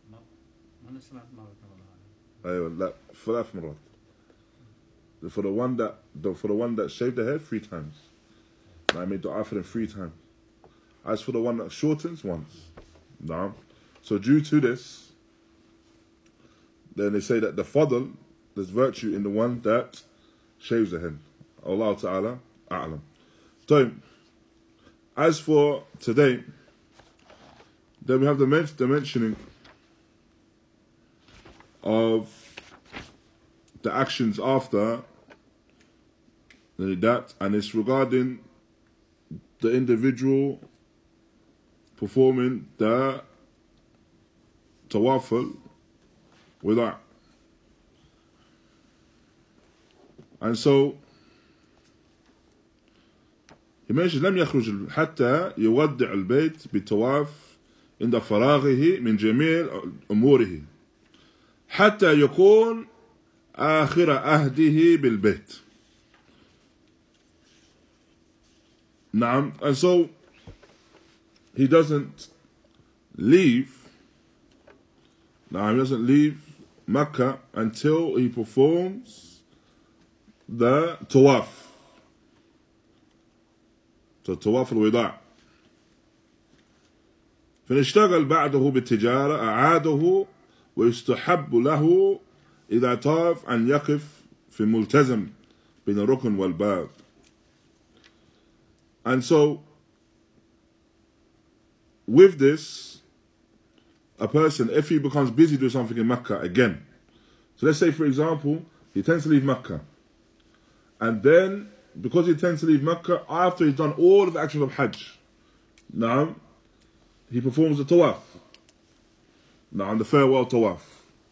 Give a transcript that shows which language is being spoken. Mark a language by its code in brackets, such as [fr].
[ar] ما نسمعت مرة كمان. أيوة لا ثلاث مرات. [en] For the one that shaved the hair three times. Yeah. I made dua for him three times. As for the one that shortens once. Yeah. [ar] نعم. [en] So due to this, then they say that the fadl, there's virtue in the one that shaves the head. Allah Ta'ala أعلم. So as for today, then we have the mentioning of the actions after that, and it's regarding the individual performing the tawafal with that. And so he mentions, [ar] لم يخرج حتى يودع البيت بالتواف عند فراغه من جميع أموره حتى يكون آخر أهده بالبيت. نعم. [en] And so he doesn't leave. نعم. He doesn't leave Mecca until he performs the tawaf. So tawaf al-wida. [ar] فنشتغل بعده بالتجارة أعاده ويستحب له إذا طاف أن يقف في ملتزم بين الركن والباب. [en] And so, with this, a person, if he becomes busy doing something in Mecca again, so let's say, for example, he tends to leave Mecca. And then, because he tends to leave Mecca, after he's done all of the actions of Hajj, [ar] نعم, [en] he performs the tawaf. Now, on the farewell tawaf.